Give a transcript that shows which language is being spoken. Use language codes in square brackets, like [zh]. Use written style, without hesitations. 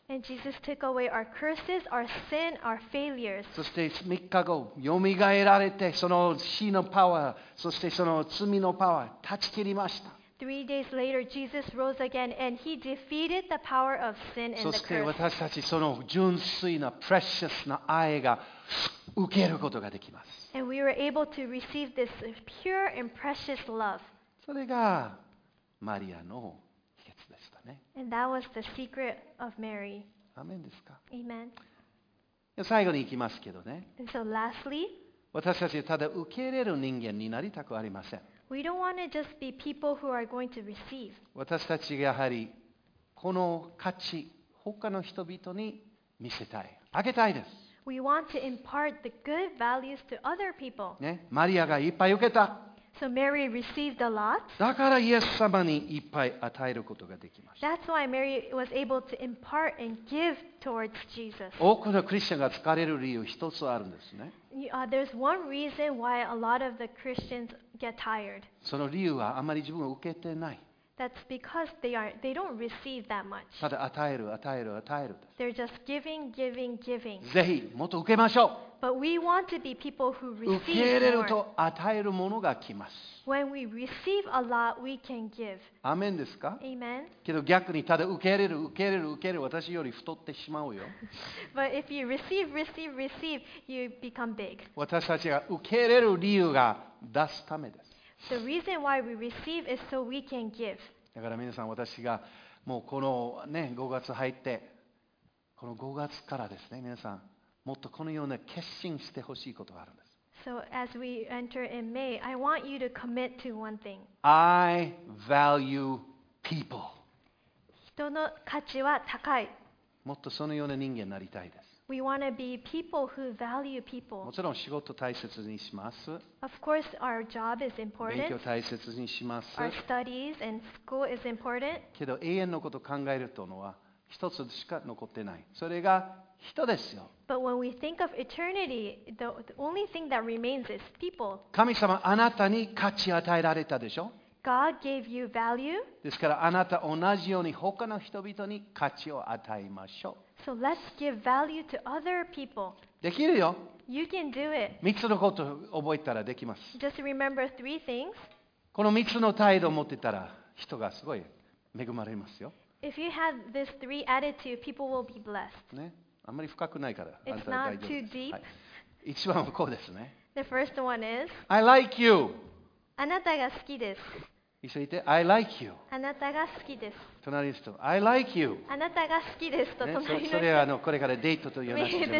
[en] And Jesus took away our curses, our sin, our failures. [ja] そして3日後、よみがえられて、その死のパワー、そしてその罪のパワー、断ち切りました。 [en] 3 days later, Jesus rose again, and he defeated the power of sin and the curse. [ja] そして私たちその純粋な、precious な愛が受けることができます。 [en] And we were able to receive this pure and precious love. [ja] それがマリアの秘訣でしたね。 [en] And that was the secret of Mary. [ja] アメンですか。 [en] Amen. [ja] 最後に行きますけどね。 [en] And so lastly, [ja] 私たちただ受け入れる人間になりたくありません。 [en] We don't want to just be people who are going to receive. [ja] 私たちがやはりこの価値、他の人々に見せたい、あげたいです。 [en] We want to impart the good values to other people. [ja] ね、マリアがいっぱい受けた。 [en] So Mary received a lot. [ja] だからイエス様にいっぱい与えることができました。 [en] That's why Mary was able to impart and give towards Jesus. [ja] 多くのクリスチャンが疲れる理由一つあるんですね。 [en] There's one reason why a lot of the Christians get tired. [ja] その理由はあまり自分が受けてない。 [en] That's because they don't receive that much. [ja] ただ与える、与える、与える。 [en] They're just giving, giving, giving. [ja] ぜひもっと受けましょう。 [en] But we want to be people who receive more. [ja] 受け入れると与えるものが来ます。 [en] When we receive a lot, we can give. [ja] アメンですか？ [en] Amen. [ja] けど逆にただ受け入れる、受け入れる、受け入れる、私より太ってしまうよ。 [en] But if you receive, receive, receive, you become big. [ja] 私たちが受け入れる理由が出すためです。 [en] The reason why we receive is so we can give. [ja] だから皆さん、私がもうこのね5月入って、この5月からですね、皆さんもっとこのような決心してほしいことがあるんです。 [en] So as we enter in May, I want you to commit to one thing. I value people. [ja] 人の価値は高い。もっとそのような人間になりたいです。 [en] We want to be people who value people. [ja] もちろん仕事大切にします。 [en] Of course, our job is important. [ja] 勉強大切にします。 [en] Our studies and school is important. [ja] けど永遠のことを考えるというのは一つしか残ってない。それが人ですよ。 [en] But when we think of eternity, the only thing that remains is people. [ja] 神様、あなたに価値を与えられたでしょ。 [en] God gave you value. [ja] ですからあなた同じように他の人々に価値を与えましょう。 [en] So let's give value to other people. [ja] できるよ。 [en] You can do it. [ja] 3つのことを覚えたらできます。 [en] Just remember three things. [ja] この3つの態度を持ってたら人がすごい恵まれますよ。 [en] If you have these three attitudes, people will be blessed. [ja] ね、あんまり深くないから。 [en] It's not too deep. [ja] 一番はこうですね。 [en] The first one is. I like you. [ja] あなたが好きです。一緒に言って、 [en] I like you. [ja] あなたが好きです。隣の人、 [en] I like you. [ja] あなたが好きですと隣の人。ね、それはこれからデートという話じゃない